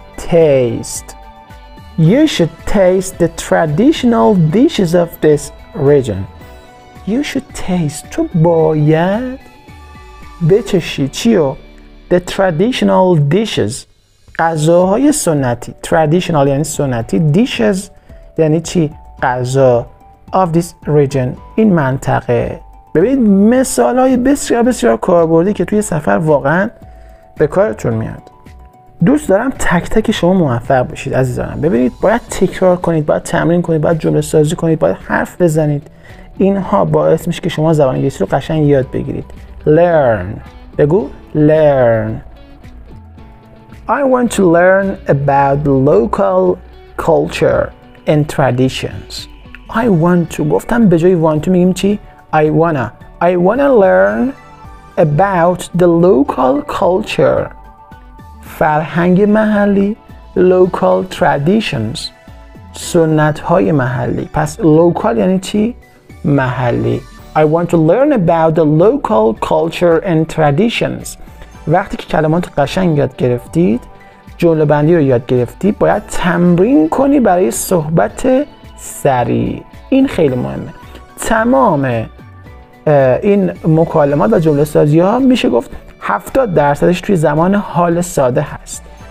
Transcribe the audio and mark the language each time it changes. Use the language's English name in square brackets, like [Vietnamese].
[English] Taste، You should taste the traditional dishes of this region. You should taste، [Persian] تو باید بچشی. چیو؟ [English] The traditional dishes، [Persian] غذاهای سنتی. Traditional یعنی سنتی. Dishes یعنی چی؟ غذا. [English] Of this region، [Persian] این منطقه. ببینید مثال های بسیار بسیار کاربردی که توی سفر واقعا به کارتون میاد. دوست دارم تک تک شما موفق بشید عزیزانم. ببینید باید تکرار کنید، باید تمرین کنید، باید جمله سازی کنید، باید حرف بزنید. اینها باعث میشه که شما زبان انگلیسی رو قشنگ یاد بگیرید. Learn، بگو. [English] Learn، I want to learn about local culture and traditions. I want to، [Persian] گفتم به جای [English] want to [Persian] میگیم چی؟ [English] I wanna learn about the local culture، [Persian] فرهنگ محلی. [English] Local traditions، [Persian] سنت های محلی. پس local یعنی چی؟ محلی. [English] I want to learn about the local culture and traditions. [Persian] وقتی که کلمات قشنگ یاد گرفتید، جمله بندی رو یاد گرفتید، باید تمرین کنی برای صحبت سریع. این خیلی مهمه. تمام این مکالمات و جمله سازی ها میشه گفت 70% توی زمان حال ساده هست.